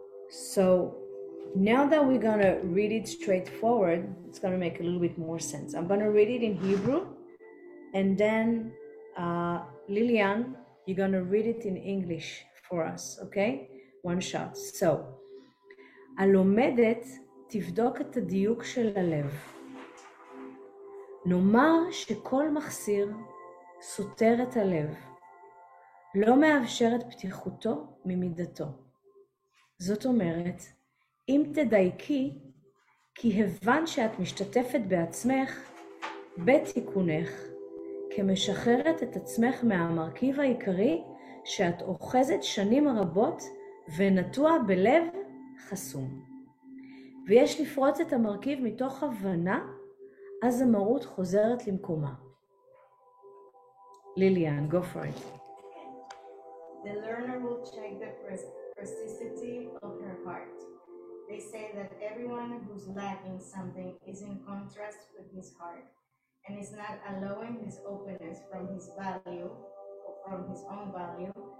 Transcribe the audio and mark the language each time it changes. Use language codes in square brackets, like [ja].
[en] So now that we're gonna read it straightforward, it's gonna make a little bit more sense. I'm gonna read it in Hebrew, and then Lilian, you're gonna read it in English for us, okay? One shot. [he] So, הלומדת תבדוק את הדיוק של הלב. נאמר שכל מחסיר סותר את הלב, לא מאפשר את פתיחותו ממידתו. זאת אומרת, אם תדייקי, כי הבן שאת משתתפת בעצמך, בתיקונך, כמשחררת את עצמך מהמרכיב העיקרי שאת אוחזת שנים רבות ונטוע בלב חסום. ויש לפרוץ את המרכיב מתוך הבנה, אז המרות חוזרת למקומה. [en] ליליאן, go for it. The learner will check the plasticity of her heart. They say that everyone who's lacking something is in contrast with his heart, and is not allowing his openness from his value, or from his own value.